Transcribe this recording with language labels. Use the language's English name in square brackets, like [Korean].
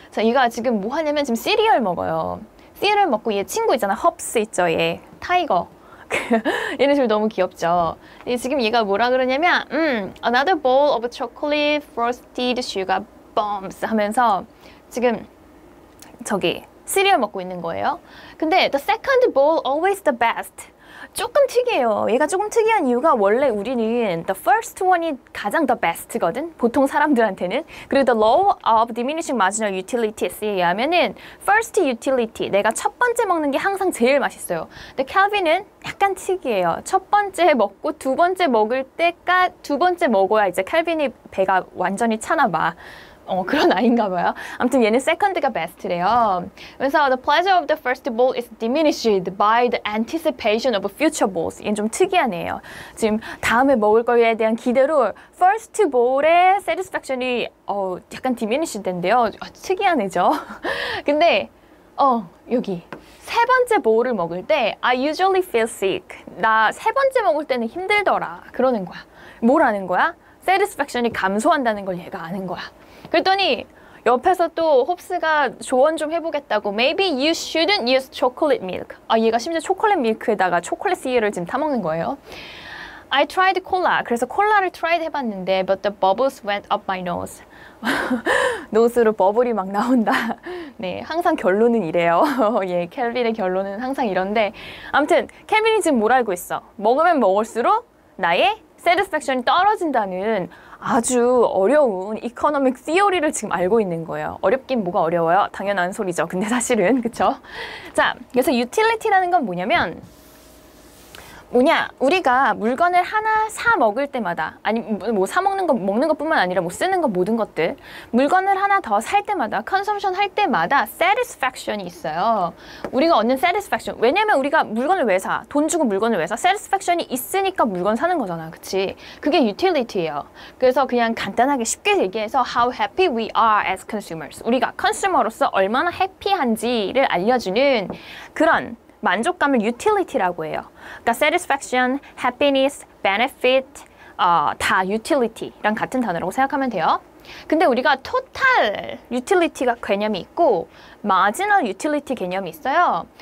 [Korean] 자, 얘가 지금 뭐 하냐면 지금 시리얼 먹어요. 시리얼 먹고 얘 친구 있잖아. 헙스 있죠. 얘 타이거. 얘는 지금 너무 귀엽죠. 지금 얘가 뭐라 그러냐면 [English] another bowl of chocolate frosted sugar bombs [Korean] 하면서 지금 저기 시리얼 먹고 있는 거예요. 근데 [English] the second bowl always the best. [Korean] 조금 특이해요. 얘가 조금 특이한 이유가 원래 우리는 [English] the first one [Korean] 이 가장 [English] the best [Korean] 거든. 보통 사람들한테는. 그리고 the law of diminishing marginal utilities에 의하면은 first utility, 내가 첫 번째 먹는 게 항상 제일 맛있어요. 근데 켈빈은 약간 특이해요. 첫 번째 먹고 두 번째 먹을 때가 두 번째 먹어야 이제 켈빈이 배가 완전히 차나 봐. 그런 아이인가 봐요. 아무튼 얘는 세컨드가 베스트래요. 그래서 [English] the pleasure of the first bowl is diminished by the anticipation of future bowls. [Korean] 얘는 좀 특이한 애예요. 지금 다음에 먹을 거에 대한 기대로 first bowl의 satisfaction이 약간 diminished 된대요. 특이한 애죠. 근데 여기 세 번째 bowl을 먹을 때 [English] I usually feel sick. [Korean] 나 세 번째 먹을 때는 힘들더라. 그러는 거야. 뭘 아는 거야? satisfaction이 감소한다는 걸 얘가 아는 거야. 그랬더니 옆에서 또 홉스가 조언 좀 해보겠다고 [English] Maybe you shouldn't use chocolate milk. [Korean] 아, 얘가 심지어 초콜릿 밀크에다가 초콜릿 시리얼을 지금 타먹는 거예요. [English] I tried cola. [Korean] 그래서 콜라를 [English] tried [Korean] 해봤는데 [English] But the bubbles went up my nose. [Korean] 노스로 버블이 막 나온다. 네, 항상 결론은 이래요. 예, 켈빈의 결론은 항상 이런데 아무튼 켈빈이 지금 뭘 알고 있어? 먹으면 먹을수록 나의 satisfaction이 떨어진다는 아주 어려운 이코노믹 시오리를 지금 알고 있는 거예요. 어렵긴 뭐가 어려워요? 당연한 소리죠. 근데 사실은 그쵸? 자, 그래서 utility라는 건 뭐냐면 뭐냐? 우리가 물건을 하나 사 먹을 때마다, 아니 뭐 사 먹는 거 먹는 것뿐만 아니라 뭐 쓰는 거 모든 것들, 물건을 하나 더 살 때마다, 컨섬션 할 때마다 satisfaction이 있어요. 우리가 얻는 satisfaction. 왜냐면 우리가 물건을 왜 사? 돈 주고 물건을 왜 사? satisfaction이 있으니까 물건 사는 거잖아. 그치? 그게 utility예요. 그래서 그냥 간단하게 쉽게 얘기해서 [English] how happy we are as consumers. [Korean] 우리가 consumer로서 얼마나 happy한지를 알려주는 그런 만족감을 utility라고 해요. 그러니까 satisfaction, happiness, benefit 다 utility랑 같은 단어라고 생각하면 돼요. 근데 우리가 total utility가 개념이 있고 marginal utility 개념이 있어요.